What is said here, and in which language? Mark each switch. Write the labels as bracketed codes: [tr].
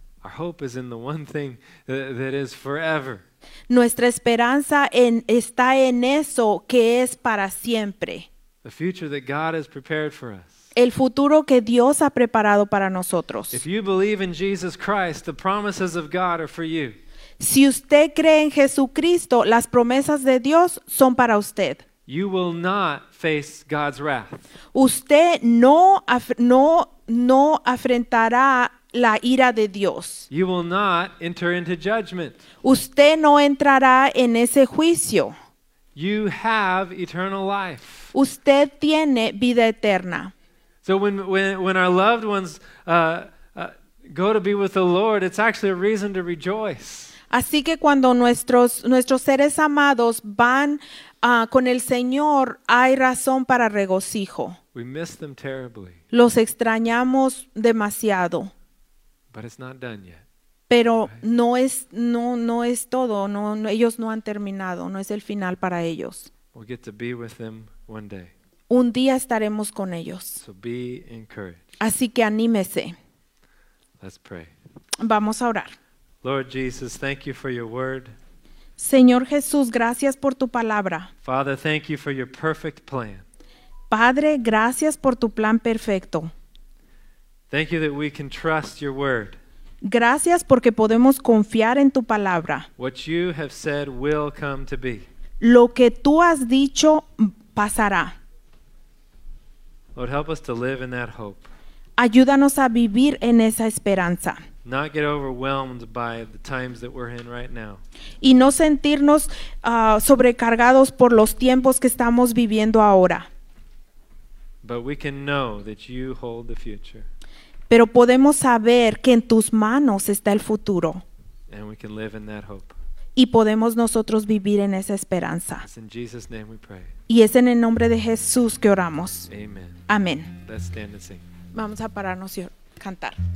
[en] Our hope is in the one thing that is forever. [es] Nuestra esperanza está en eso que es para siempre. [en] The future that God has prepared for us. [es] El futuro que Dios ha preparado para nosotros. [en] If you believe in Jesus Christ, the promises of God are for you. [es] Si usted cree en Jesucristo, las promesas de Dios son para usted. [en] You will not face God's wrath. [es] Usted no afrentará la ira de Dios. [en] You will not enter into judgment. [es] Usted no entrará en ese juicio. [en] You have eternal life. [es] Usted tiene vida eterna. [en] So when our loved ones go to be with the Lord, it's actually a reason to rejoice. [es] Así que cuando nuestros seres amados van con el Señor, hay razón para regocijo. [en] We miss them terribly. [es] Los extrañamos demasiado. [en] But it's not done yet. [es] Pero right? no es todo, no ellos no han terminado, no es el final para ellos. [en] We'll get to be with them one day. [es] Un día estaremos con ellos. [en] So be encouraged. [es] Así que anímese. [en] Let's pray. [es] Vamos a orar. [en] Lord Jesus, thank you for your word. [es] Señor Jesús, gracias por tu palabra. [en] Father, thank you for your perfect plan. [es] Padre, gracias por tu plan perfecto. [en] Thank you that we can trust your word. [es] Gracias porque podemos confiar en tu palabra. [en] What you have said will come to be. [es] Lo que tú has dicho pasará. [en] Lord, help us to live in that hope. [es] Ayúdanos a vivir en esa esperanza. [en] Not get overwhelmed by the times that we're in right now. [es] Y no sentirnos sobrecargados por los tiempos que estamos viviendo ahora. [en] But we can know that you hold the future. [es] Pero podemos saber que en tus manos está el futuro. [en] And we can live in that hope. [es] Y podemos nosotros vivir en esa esperanza. [en] It's in Jesus' name we pray. [es] Y es en el nombre de Jesús que oramos. [en] Amen. [es] Amén. [en] Let's stand and sing. [es] Vamos a pararnos y cantar.